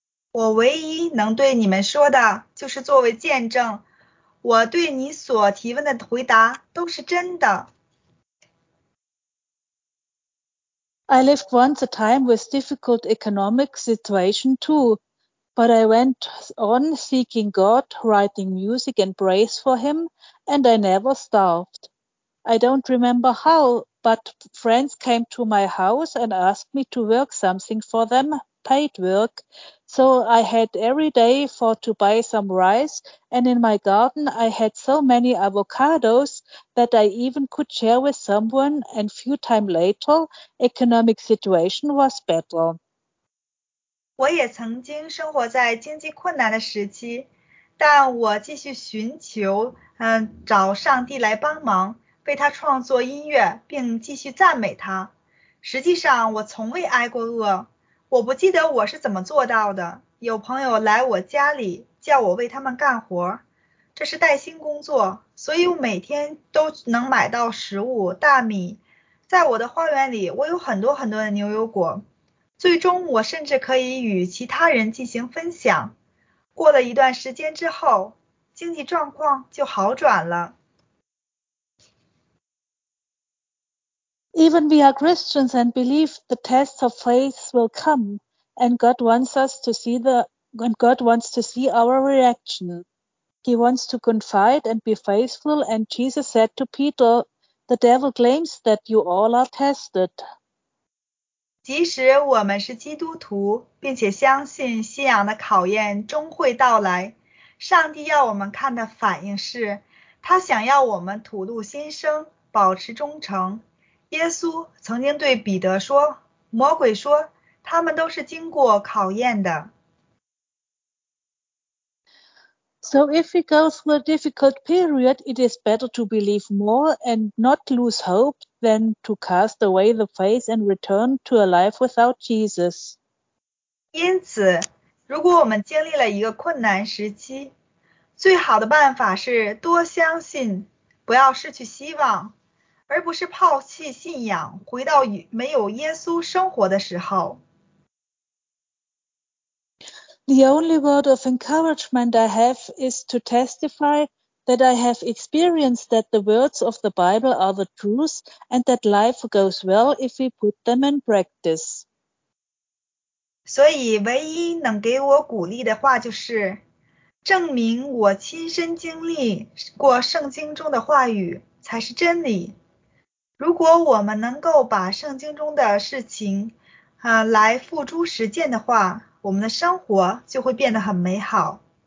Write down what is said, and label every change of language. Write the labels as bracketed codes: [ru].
[zh] 我唯一能对你们说的就是作为见证，我对你所提问的回答都是真的。 [en] I lived once a time with difficult economic situation too, but I went on seeking God, writing music and praise for him, and I never starved. I don't remember how, but friends came to my house and asked me to work something for them, paid work. So I had every day for to buy some rice, and in my garden I had so many avocados that I even could share with someone, and few time later, economic situation was better. [zh] 我也曾经生活在经济困难的时期，但我继续寻求，找上帝来帮忙，为他创作音乐，并继续赞美他。实际上，我从未挨过饿。我不记得我是怎么做到的，有朋友来我家里叫我为他们干活，这是带薪工作，所以我每天都能买到食物，大米。在我的花园里，我有很多很多的牛油果，最终我甚至可以与其他人进行分享。过了一段时间之后，经济状况就好转了。 [en] Even we are Christians and believe the tests of faith will come, and God wants us to see our reaction. He wants to confide and be faithful, and Jesus said to Peter, "The devil claims that you all are tested." [zh] 即使我们是基督徒，并且相信信仰的考验终会到来，上帝要我们看的反应是，他想要我们吐露心声，保持忠诚。耶稣曾经对彼得说，魔鬼说，他们都是经过考验的。 [en] So if we go through a difficult period, it is better to believe more and not lose hope than to cast away the faith and return to a life without Jesus. [zh] 因此，如果我们经历了一个困难时期，最好的办法是多相信，不要失去希望。而不是抛弃信仰，回到没有耶稣生活的时候。 [en] The only word of encouragement I have is to testify that I have experienced that the words of the Bible are the truth and that life goes well if we put them in practice. [zh] 所以唯一能给我鼓励的话就是，证明我亲身经历过圣经中的话语才是真理。如果我们能够把圣经中的事情，来付诸实践的话，我们的生活就会变得很美好。